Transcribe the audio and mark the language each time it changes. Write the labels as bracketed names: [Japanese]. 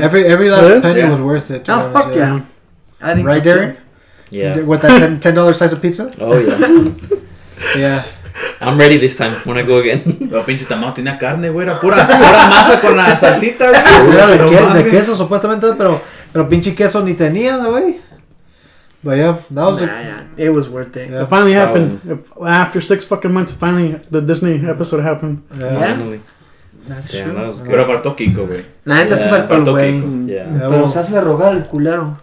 [English] Every last penny was worth it. Oh, fuck yeah. I think right, Darren? Yeah. With that $10 slice of pizza? Oh, yeah. Yeah. I'm ready this time when I go again. [Spanish] Pero pinche tamao tenía carne, güey. Era pura masa con la salsita, güey. Era de queso, supuestamente, pero pinche queso ni tenía, güey. [English] But yeah, that was it. It was worth it. Yeah. It finally happened. After 6 fucking months, finally the Disney episode happened. Yeah. That's true. That was good. [Spanish] Pero faltó Kiko, güey. La neta se faltó el güey. Pero se hace rogar el culero.